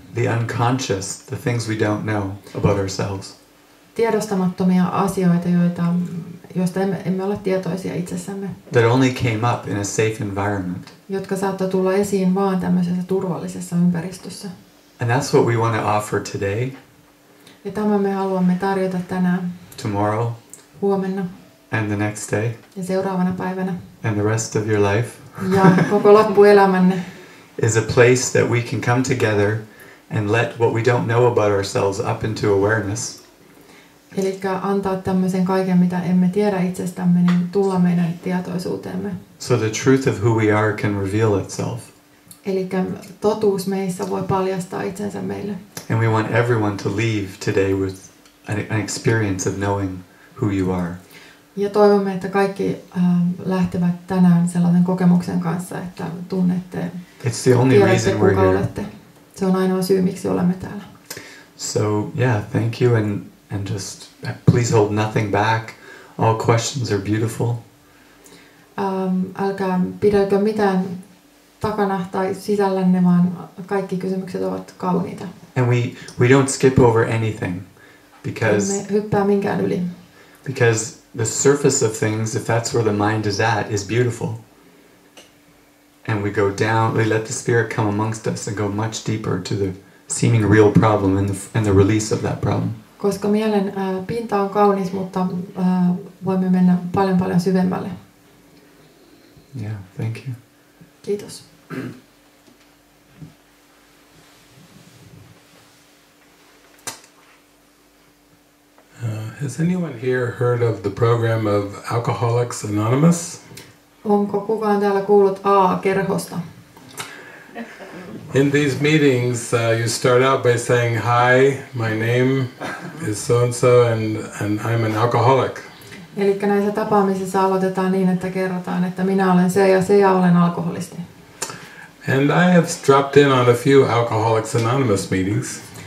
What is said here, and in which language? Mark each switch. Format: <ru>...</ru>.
<en>The unconscious, the things we don't know about ourselves.</en> <fi>Tiedostamattomia asioita, joista emme ole tietoisia itsessämme.</fi> <en>That only came up in a safe environment.</en> <fi>Jotka saattaa tulla esiin vaan tämmöisessä turvallisessa ympäristössä.</fi> <en>And that's what we want to offer today.</en> <fi>Ja tämän me haluamme tarjota tänään.</fi> <en>Tomorrow.</en> <fi>Huomenna.</fi> <en>And the next day.</en> <fi>Ja seuraavana päivänä.</fi> <en>And the rest of your life.</en> <fi>Ja koko loppuelämänne.</fi> <en>Is a place that we can come together and let what we don't know about ourselves up into awareness.</en> <fi>Eli antaa tämmöisen kaiken, mitä emme tiedä itsestämme, niin tulla meidän tietoisuuteemme.</fi> <en>So the truth of who we are can reveal itself.</en> <fi>Elikkä totuus meissä voi paljastaa itsensä meille.</fi> <en>And we want everyone to leave today with an experience of knowing who you are.</en> <fi>Ja toivomme, että kaikki lähtevät tänään sellaisen kokemuksen kanssa, että tunnette,</fi> <en>it's the only reason we're here.</en> <fi>Olette. Se on ainoa syy, miksi olemme täällä.</fi> <en>So, yeah, thank you and just please hold nothing back. All questions are beautiful.</en> <fi>Älkää pidäkö mitään takana tai sisällänne, vaan kaikki kysymykset ovat kauniita.</fi> <en>And we don't skip over anything because</en> <fi>emme hyppää minkään yli.</fi> <en>Because the surface of things, if that's where the mind is at, is beautiful. And we go down, we let the spirit come amongst us and go much deeper to the seeming real problem and the release of that problem.</en> <fi>Koska mielen pinta on kaunis, mutta voimme mennä paljon paljon syvemmälle.</fi> <en>Yeah, thank you.</en> <fi>Kiitos.</fi> <en>Has anyone here heard of the program of Alcoholics Anonymous?</en> <fi>Onko kukaan täällä kuullut AA-kerhosta?</fi> <en>In these meetings, you start out by saying, "Hi, my name is so and so, and I'm an alcoholic."</en> <fi>Eli näissä tapaamisissa aloitetaan niin, että kerrotaan, että minä olen se ja se ja olen alkoholisti.</fi> <en>And I have dropped in on a few Alcoholics Anonymous meetings.</en>